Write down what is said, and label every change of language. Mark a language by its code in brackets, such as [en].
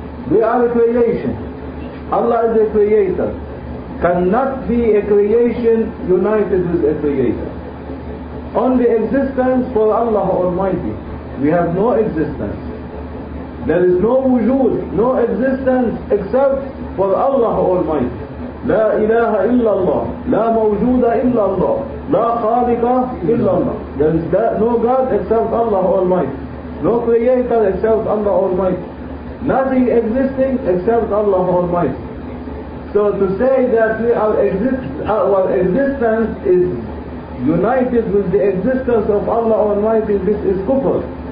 [en] We are a creation. Allah is a creator. Cannot be a creation united with a creator. Only existence for Allah Almighty. We have no existence. There is no wujud, no existence except for Allah Almighty. [ar] لا إله إلا الله لا موجود إلا الله لا خالق إلا الله. [en] There is no God except Allah Almighty. No creator except Allah Almighty. Nothing existing except Allah Almighty. So to say that we are our existence is united with the existence of Allah Almighty, this is kufr.